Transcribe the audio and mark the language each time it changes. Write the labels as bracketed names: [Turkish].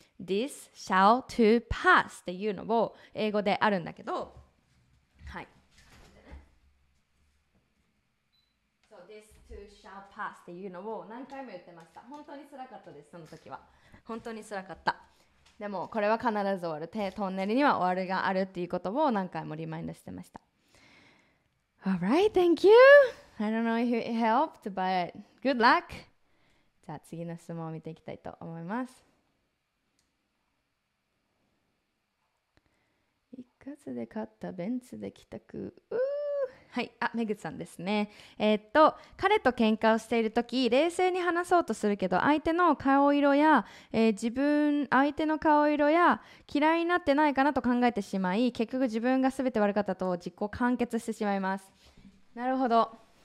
[English] This shall to pass [Japanese] っていうのを英語であるんだけど、はい、 [English] So this to shall pass [Japanese] っていうのを何回も言ってました。本当に辛かったです、その時は本当に辛かった。でもこれは必ず終わる、トンネルには終わりがあるっていうことを何回もリマインドしてました。 [English] Alright, thank you. I don't know if it helped, but good luck. [Japanese] じゃあ次の質問を見ていきたいと思います。一括で買ったベンツで帰宅、はい、あ、めぐさんですね。彼と喧嘩をしているとき、冷静に話そうとするけど、相手の顔色や、自分、相手の顔色や嫌いになってないかなと考えてしまい、結局自分が全て悪かったと自己完結してしまいます。なるほど。